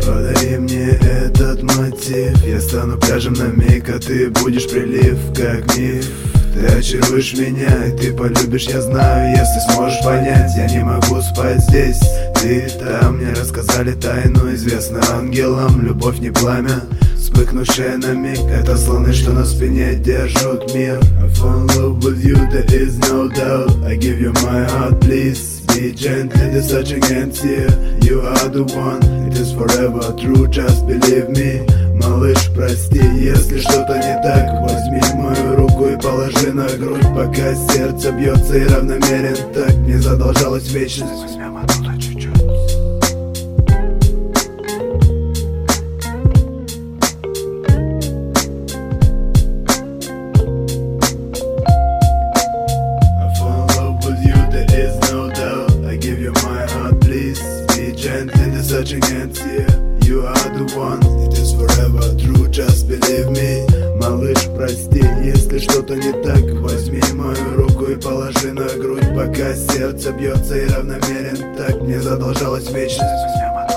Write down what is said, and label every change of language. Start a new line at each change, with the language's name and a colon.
Russian: Подари мне этот мотив, я стану пляжем на миг, а ты будешь прилив, как миф. Ты очаруешь меня, и ты полюбишь, я знаю, если сможешь понять. Я не могу спать здесь, ты там. Мне рассказали тайну, известную ангелам. Любовь не пламя, вспыхнувшая на миг. Это слоны, что на спине держат мир.
English: I fall in love with you, there is no doubt. I give you my heart, please. Be gentle, there's such a chance here. You are the one, it is forever true. Just believe me.
Russian: Малыш, прости, если что-то не так. Возьми мою руку и положи на грудь, пока сердце бьется и равномерен так. Не задолжалась вечность. Возьмем оттуда чуть-чуть.
English: I fall in love with you, there is no doubt. I give you my heart, please. Be gentle, there's such a chance here. You are the one, it is forever true, just believe me.
Russian: Малыш, прости, если что-то не так. Возьми мою руку и положи на грудь, пока сердце бьется и равномерен так. Мне задолжалась вечность.